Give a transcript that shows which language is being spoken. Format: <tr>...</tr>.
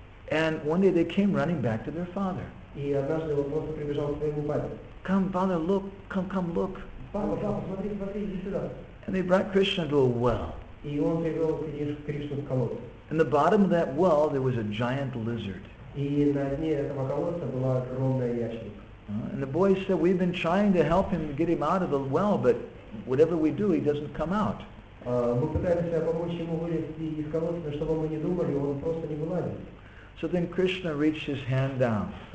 <en>And one day they came running back to their father.</en> <ru>И однажды он просто прибежал к своему папе.</ru> <en>Come, father, look. Come, look.</en> <ru>Папа, папа, смотри, смотри, иди сюда.</ru> <en>And they brought Krishna to a well.</en> <ru>И он привел Кришну в колодец.</ru> <en>In the bottom of that well, there was a giant lizard.</en> <ru>И на дне этого колодца была огромная ящерица.</ru> <en>And the boy said, we've been trying to help him get him out of the well, but whatever we do, he doesn't come out.</en> <ru>Мы пытались помочь ему вылезти из колодца, но что бы мы ни думали, он просто не вылазил.</ru> <en>So then Krishna reached his hand down.</en>